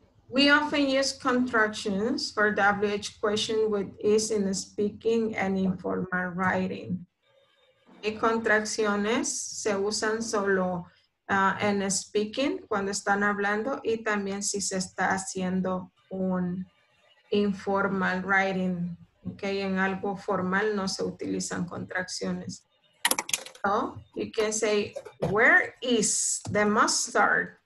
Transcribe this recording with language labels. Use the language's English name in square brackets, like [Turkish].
[English] We often use contractions for WH question with is in speaking and informal writing. [Spanish] Y contracciones se usan solo en speaking, cuando están hablando, y también si se está haciendo un informal writing. Okay, en algo formal no se utilizan contracciones. [English] So, you can say, where is the mustard?